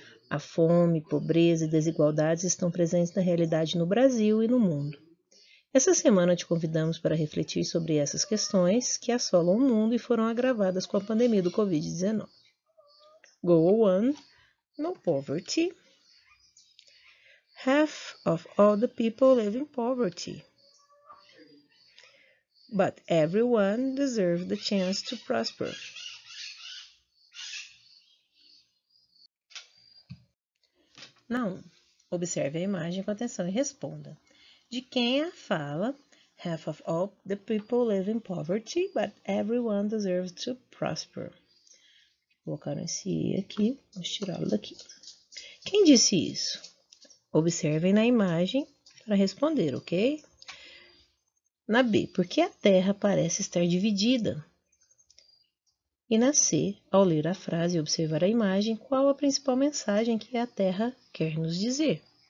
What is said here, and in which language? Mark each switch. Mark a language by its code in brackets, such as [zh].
[pt] A fome, pobreza e desigualdades estão presentes na realidade no Brasil e no mundo. Essa semana te convidamos para refletir sobre essas questões que assolam o mundo e foram agravadas com a pandemia do Covid-19. [en] Go on, no poverty. Half of all the people live in poverty. But everyone deserves the chance to prosper. [pt] Não. Observe a imagem com atenção e responda. De quem é a fala? [en] Half of all the people live in poverty, but everyone deserves to prosper. [pt] Vou colocar esse I aqui, vou tirá-lo daqui. Quem disse isso? Observem na imagem para responder, ok? Na B, por que a Terra parece estar dividida? E na C, ao ler a frase e observar a imagem, qual a principal mensagem que a Terra quer nos dizer?